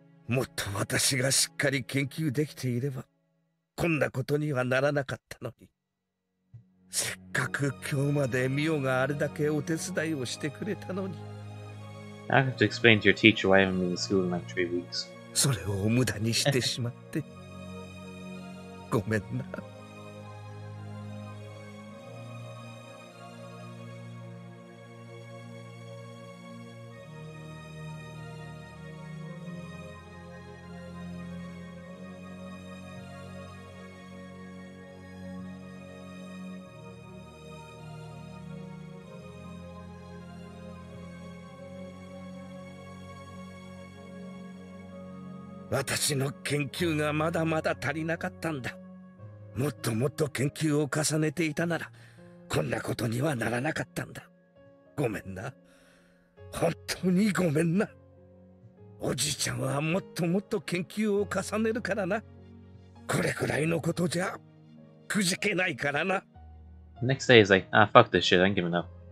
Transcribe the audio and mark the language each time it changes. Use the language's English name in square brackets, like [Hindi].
[Japanese] もっと私がしっかり研究できていれば、こんなことにはならなかったのに。せっかく今日までミオがあれだけお手伝いをしてくれたのに。 [English] I have to explain to your teacher why I haven't been in school in like 3 weeks. [Japanese] それを無駄にしてしまって、ごめんな。私の研究がまだまだ足りなかったんだ。もっともっと研究を重ねていたなら、こんなことにはならなかったんだ。ごめんな。本当にごめんな。おじいちゃんはもっともっと研究を重ねるからな。これくらいのことじゃくじけないからな。 [English] Next day is like, ah, fuck this shit, I'm giving up.